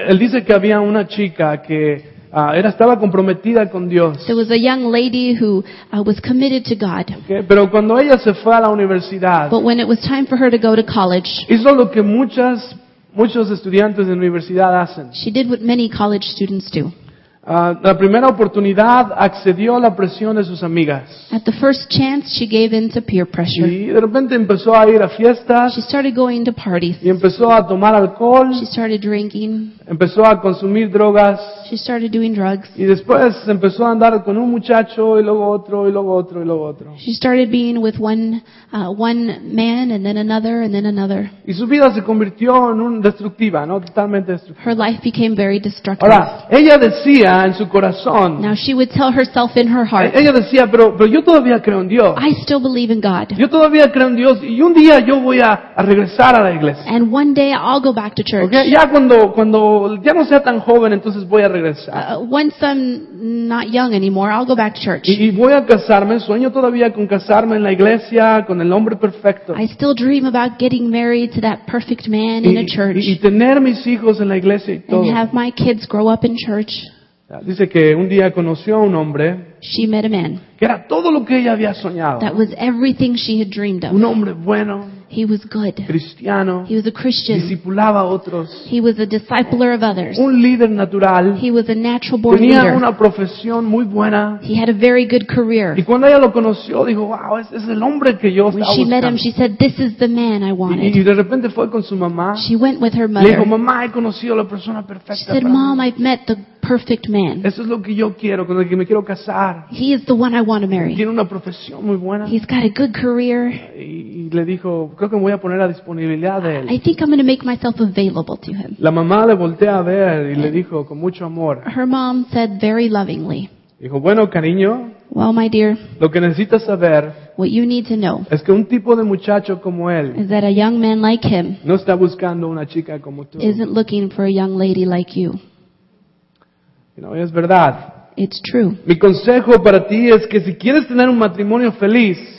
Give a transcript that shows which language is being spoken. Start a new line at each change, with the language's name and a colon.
Spanish: Él dice que había una chica que estaba comprometida con Dios.
English: There was a young lady who was committed to God.
Spanish: Okay, pero cuando ella se fue a la universidad,
English: but when it was time for her to go to college,
Spanish: hizo lo que muchos estudiantes de universidad hacen.
English: She did what many college students do.
Spanish: La primera oportunidad accedió a la presión de sus amigas.
English: At the first chance, she gave in to peer pressure.
Spanish: Y de repente empezó a ir a fiestas.
English: She started going to parties.
Spanish: Y empezó a tomar alcohol.
English: She started drinking.
Spanish: Empezó a consumir drogas.
English: She started doing drugs.
Spanish: Y después empezó a andar con un muchacho y luego otro y luego otro y luego otro.
English: She started being with one man and then another and then another.
Spanish: Y su vida se convirtió en una destructiva, ¿no? Totalmente destructiva.
English: Her life became very destructive.
Spanish: Ahora, ella decía en su corazón.
English: Now she would tell herself in her heart.
Spanish: Ella decía, pero yo todavía creo en Dios.
English: I still believe in God.
Spanish: Yo todavía creo en Dios y un día yo voy a regresar a la iglesia.
English: And one day I'll go back to church.
Spanish: Okay, ya cuando ya no sea tan joven, entonces voy a regresar.
English: Once I'm not young anymore, I'll go back to church.
Spanish: Y voy a casarme, sueño todavía con casarme en la iglesia con el hombre perfecto.
English: I still dream about getting married to that perfect man in a church.
Spanish: Y tener mis hijos en la iglesia y todo.
English: And have my kids grow up in church.
Spanish: Dice que un día conoció a un hombre.
English: She met a man.
Spanish: Que era todo lo que ella había soñado.
English: That was everything she had dreamed of.
Spanish: Un hombre bueno.
English: He was good.
Spanish: Cristiano.
English: He was a Christian.
Spanish: Discipulaba a otros.
English: He was a discipler of others.
Spanish: Un líder natural.
English: He was a natural born leader.
Spanish: Tenía una profesión muy buena.
English: He had a very good career.
Spanish: Y cuando ella lo conoció, dijo, wow, ese es el hombre que yo estaba buscando.
English: When she met him, she said, this is the man I wanted.
Spanish: Y de repente fue con su mamá.
English: She went with her mother.
Spanish: Le dijo, mamá, he conocido la persona perfecta.
English: She said, mom, I've met the perfect man.
Spanish: Eso es lo que yo quiero, con el que me quiero casar.
English: He is the one I want to marry.
Spanish: Tiene una profesión muy buena.
English: He's got a good career.
Spanish: Y le dijo, creo que me voy a poner a disponibilidad de él.
English: I think I'm going to make myself available to him.
Spanish: La mamá le voltea a ver y le dijo con mucho amor.
English: Her mom said very lovingly.
Spanish: Dijo, bueno, cariño.
English: Well, my dear.
Spanish: Lo que necesitas saber.
English: What you need to know.
Spanish: Es que un tipo de muchacho como él.
English: Is that a young man like him.
Spanish: No está buscando una chica como tú.
English: Isn't looking for a young lady like you.
Spanish: No, es verdad.
English: It's true.
Spanish: Mi consejo para ti es que si quieres tener un matrimonio feliz.